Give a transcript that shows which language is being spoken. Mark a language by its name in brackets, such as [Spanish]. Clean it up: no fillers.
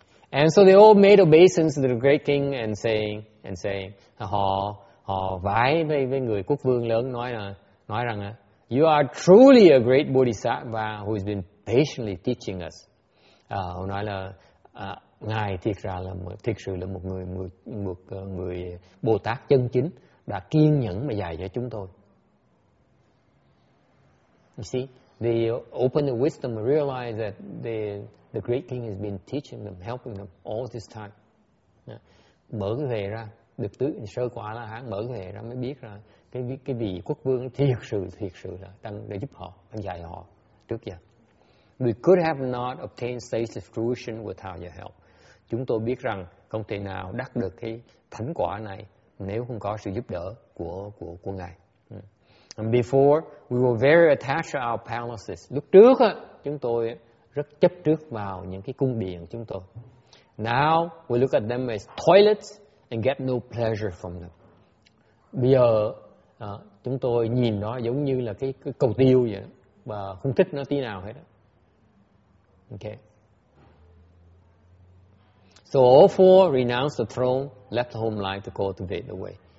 [English] And so they all made obeisance to the great king and saying, [Vietnamese] họ vái với người quốc vương lớn nói rằng, [English] you are truly a great bodhisattva who has been patiently teaching us. [Vietnamese] Họ nói là ngài thiệt sự là một người Bồ Tát chân chính đã kiên nhẫn mà dạy cho chúng tôi. [English] You see, they open the wisdom and realize that the great king has been teaching them, helping them all this time. [Vietnamese] Mở cái hệ ra, được tứ sơ quả là hắn mở cái hệ ra mới biết ra cái vị quốc vương thiệt sự là đang để giúp họ, đang dạy họ trước giờ. [English] We could have not obtained stage of fruition without your help. [Vietnamese] Chúng tôi biết rằng không thể nào đắc được cái thánh quả này nếu không có sự giúp đỡ của ngài. [English] And before, we were very attached to our palaces. [Vietnamese] Lúc trước á, chúng tôi rất chấp trước vào những cái cung điện chúng tôi. [English] Now we look at them as toilets and get no pleasure from them. [Vietnamese] Bây giờ chúng tôi nhìn nó giống như là cái cầu tiêu vậy và không thích nó tí nào hết. [English] Okay. So all four renounced the throne, left the home life to cultivate the way.